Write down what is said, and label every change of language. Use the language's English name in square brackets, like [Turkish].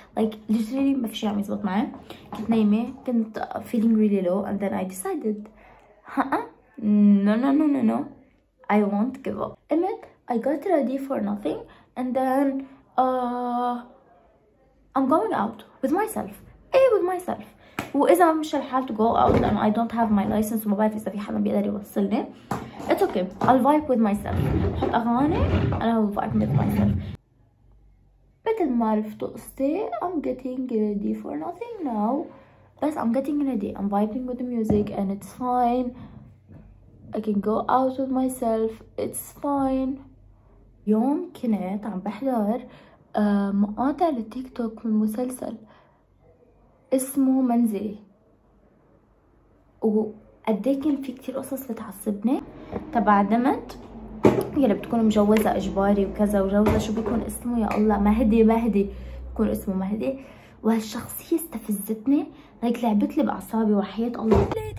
[English] Like, literally, [Arabic] ما في شيء عم يزبط معي. كنت نايمة, كنت [English] feeling really low, and then I decided, no, I won't give up. [Arabic] قمت, [English] I got ready for nothing. And then I'm going out with myself. Hey, with myself. [Arabic] وإذا مش الحال [English] to go out, then I don't have my license. [Arabic] وما بعرف إذا في حدا بيقدر يوصلني. [English] It's okay. I'll vibe with myself. [Arabic] حط أغاني [English] and I'll vibe with myself. [Arabic] مثل ما عرفتوا قصتي, [English] I'm getting ready for nothing now. [Arabic] بس [English] I'm getting ready. I'm vibing with the music and it's fine. I can go out with myself. It's fine. [Arabic] يوم كنت عم بحضر مقاطع للتيك توك من مسلسل اسمه منزلي, وقديه كان في كتير قصص بتعصبني تبع دمت يلي بتكون مجوزة اجباري وكذا, وجوزة شو بيكون اسمه, يا الله مهدي بيكون اسمه مهدي, وهالشخصية استفزتني هيك لعبتلي بأعصابي وحياة الله.